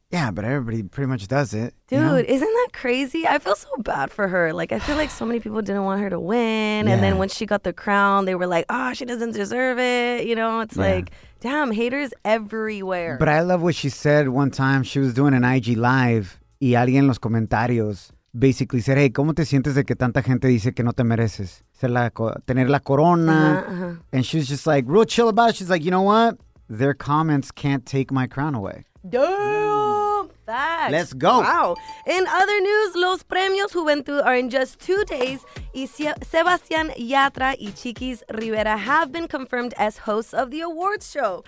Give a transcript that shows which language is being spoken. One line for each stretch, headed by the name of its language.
English: Yeah, but everybody pretty much does it. Dude, you know? Isn't that crazy? I feel so bad for her. Like, I feel like so many people didn't want her to win. Yeah. And then when she got the crown, they were like, oh, she doesn't deserve it. You know, it's like, damn, haters everywhere. But I love what she said one time. She was doing an IG live.
Spanish: Y alguien en los comentarios
English: basically said, hey,
Spanish: ¿cómo te sientes de que tanta gente dice que no te mereces? Tener la corona.
English: Uh-huh. And she was just like, real chill about it. She's like, you know what? Their comments can't take my crown away. Damn, facts. Let's go. Wow. In other news, Los Premios Juventud are in just 2 days. Sebastian Yatra y Chiquis Rivera have been confirmed as hosts of the awards show.